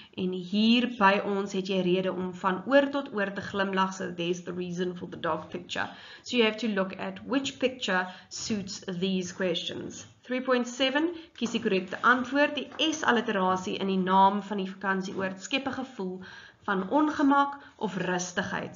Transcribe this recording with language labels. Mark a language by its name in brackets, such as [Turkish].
[Afrikaans] En hier by ons het jy rede om van oor tot oor te glimlag. [English] So there's the reason for the dog picture. So you have to look at which picture suits these questions. [Afrikaans] 3.7, kies die korrekte antwoord. Die S-alliterasie in die naam van die vakansieoord skep 'n gevoel van ongemak of rustigheid.